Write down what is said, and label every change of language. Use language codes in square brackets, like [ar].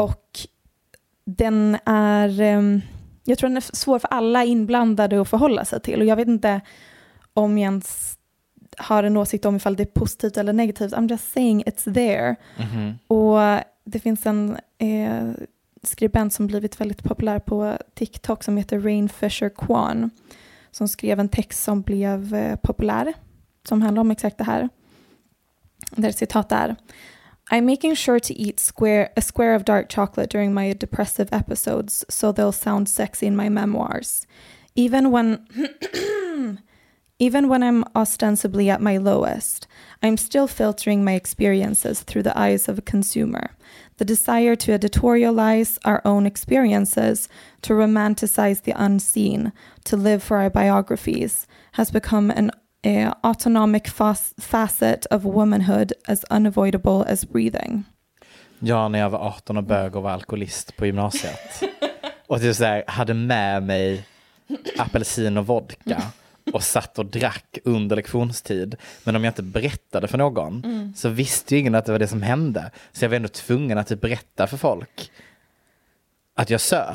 [sv] Och den är... jag tror den är svår för alla inblandade att förhålla sig till. Och jag vet inte om jag ens har en åsikt om ifall det är positivt eller negativt. [en] I'm just saying it's there. Mm-hmm. [sv] Och det finns en skribent som blivit väldigt populär på TikTok som heter Rain Fisher Kwan. Som skrev en text som blev populär. Som handlar om exakt det här. Där citat är... [en] I'm making sure to eat a square of dark chocolate during my depressive episodes so they'll sound sexy in my memoirs. Even when Even when I'm ostensibly at my lowest, I'm still filtering my experiences through the eyes of a consumer. The desire to editorialize our own experiences, to romanticize the unseen, to live for our biographies, has become an autonomic facet of womanhood as unavoidable as breathing. [sv] Ja, när jag var 18 och bög och var alkoholist på gymnasiet. Och det så här, hade med mig apelsin och vodka. Och satt och drack under lektionstid. Men om jag inte berättade för någon så visste ju ingen att det var det som hände. Så jag var ändå tvungen att typ berätta för folk att jag söp.